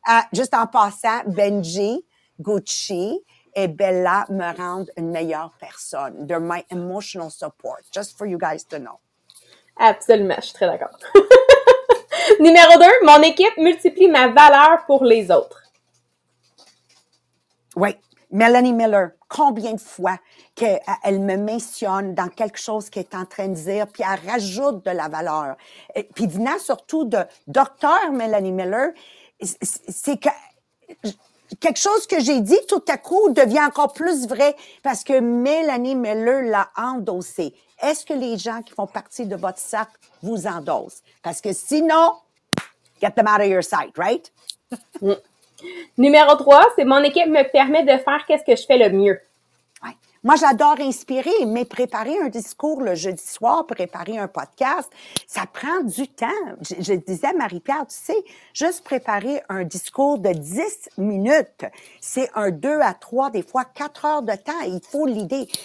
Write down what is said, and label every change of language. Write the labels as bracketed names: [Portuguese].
[French] Juste en passant, Benji, Gucci et Bella me rendent une meilleure personne. [English] They're my emotional support, just for you guys to know. [French] Absolument, je suis très d'accord. Numéro 2, mon équipe multiplie ma valeur pour les autres. Oui. Mélanie Miller, combien de fois qu'elle me mentionne dans quelque chose qu'elle est en train de dire, puis elle rajoute de la valeur. Et puis venant surtout de docteur Mélanie Miller, c'est que quelque chose que j'ai dit tout à coup devient encore plus vrai parce que Mélanie Miller l'a endossé. Est-ce que les gens qui font partie de votre cercle vous endossent? Parce que sinon, [English] get them out of your sight, right? [French] Numéro 3, c'est mon équipe me permet de faire qu'est-ce que je fais le mieux. Ouais. Moi, j'adore inspirer, mais préparer un discours le jeudi soir, préparer un podcast, ça prend du temps. Je disais à Marie-Pierre, tu sais, juste préparer un discours de 10 minutes, c'est un 2 à 3, des fois 4 heures de temps. Il faut l'idée.